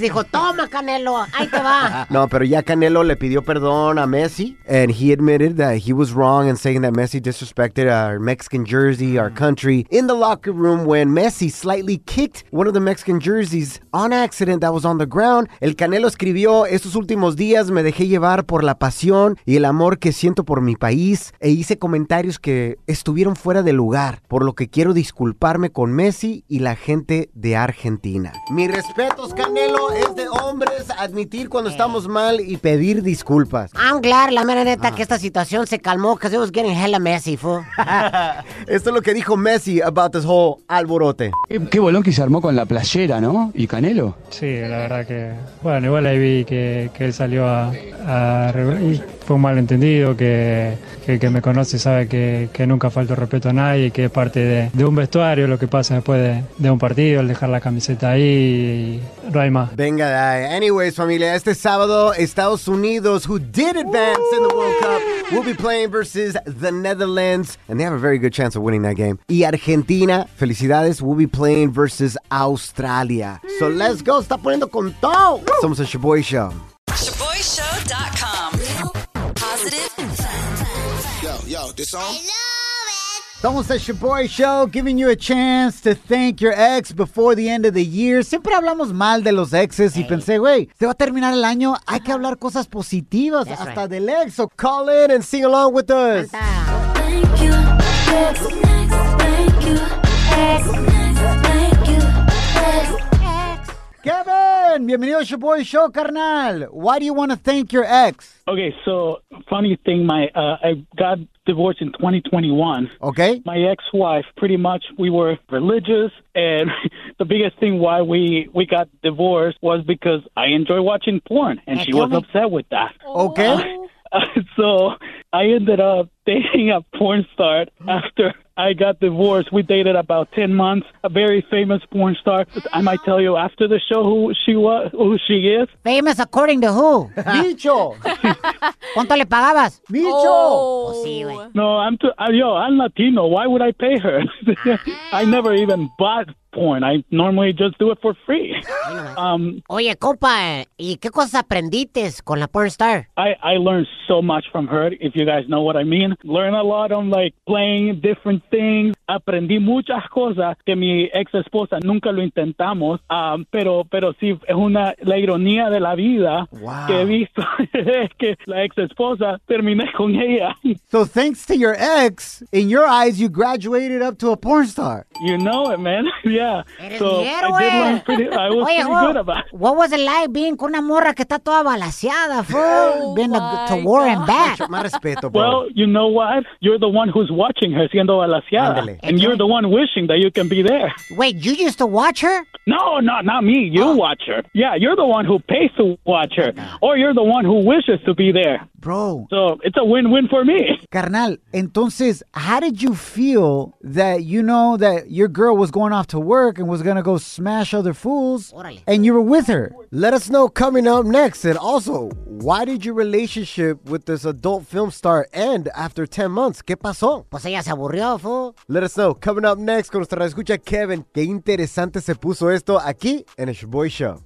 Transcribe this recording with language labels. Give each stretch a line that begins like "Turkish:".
Spanish: Dijo, toma, Canelo, ahí te va. No, pero ya Canelo le pidió perdón a Messi,
English: and he admitted that he was wrong in saying that Messi disrespected our Mexican jersey, our country, in the locker room when Messi slightly kicked one of the Mexican jerseys on accident that was on the ground.
Spanish: El Canelo escribió, estos últimos días me dejé llevar por la pasión y el amor que siento por mi país e hice comentarios que estuvieron fuera de lugar, por lo que quiero disculparme con Messi y la gente de Argentina. Mis respetos, Canelo, es de hombres admitir cuando estamos mal y pedir disculpas. I'm glad, la mera neta, que esta situación se calmó, because it was getting hella messy, fool. Esto es lo que dijo Messi
English: about this whole
Spanish: alborote. Qué bolón que se armó con la playera, ¿no? ¿Y Canelo? Sí, la verdad que... Bueno, igual ahí vi que él salió y fue un malentendido, que me conoce sabe que nunca falto respeto a nadie, que es parte de un vestuario lo que pasa después de un partido, el dejar la camiseta ahí y no hay más. Venga, dai.
English: Anyways, familia,
Spanish: este sábado,
English: Estados Unidos, who did advance in the World Cup, will be playing versus the Netherlands, and they have a very good chance of winning that game. Y Argentina,
Spanish: felicidades,
English: will be playing versus Australia. So let's go,
Spanish: está poniendo con todo. Somos el Shaboy Show.
English: ShaboyShow.com. Positive and fun. Yo, this song? I love it. Somos el Shaboy Show, giving you a chance to thank your ex before the end of the year.
Spanish: Siempre hablamos mal de los exes y pensé, güey, se va a terminar el año, hay que hablar cosas positivas.
English: That's
Spanish: hasta
English: right.
Spanish: Del ex.
English: So call in and sing along with us. Thank you.
Spanish: Kevin, bienvenido a your boy show, carnal.
English: Why do you want to thank your ex? Okay, so funny thing, I got divorced in 2021. Okay. My ex-wife, pretty much, we were religious, and the biggest thing why we got divorced was because I enjoy watching porn, and she was upset with that. Okay. So I ended up dating a porn star after I got divorced. We dated about 10 months. A very famous porn star. I might tell you after the show who she is. Famous according to who? Micho.
Spanish: ¿Cuánto le pagabas? Micho. Oh. Sí,
English: no, I'm Latino. Why would I pay her? I never even bought porn. I normally just do it for free.
Spanish: Oye, compa, ¿y qué cosas aprendiste con la porn star?
English: I learned so much from her, if you guys know what I mean. Learn a lot on, like, playing different things.
Spanish: Aprendí muchas cosas que mi ex esposa nunca lo intentamos. Pero sí, es una la ironía de la vida.
English: Wow.
Spanish: Que he visto que la ex esposa terminé con ella.
English: So thanks to your ex, in your eyes, you graduated up to a porn star. You know it, man. Yeah.
Spanish: Eres
English: so
Spanish: héroe.
English: I did learn pretty. I was
Spanish: Oye,
English: pretty good about. What was it like being
Spanish: con una morra que está toda balaseada,
English: fool? Being to war and back.
Spanish: Más respeto, bro.
English: Well, you know what? You're the one who's watching her siendo balaseada. And you're the one wishing that you can be there. Wait, you used to watch her? No, not me. You watch her. Yeah, you're the one who pays to watch her. Or you're the one who wishes to be there. Bro. So it's a win-win for me.
Spanish: Carnal, entonces,
English: how did you feel that you know that your girl was going off to work and was going to go smash other fools?
Spanish: Orale.
English: And you were with her? Let us know coming up next. And also, why did your relationship with this adult film star end after 10 months?
Spanish: ¿Qué pasó? Pues ella se aburrió, fool.
English: Let us know coming up next.
Spanish: Con nuestra escucha,
English: Kevin.
Spanish: Qué interesante se puso esto aquí en el Shaboy Show.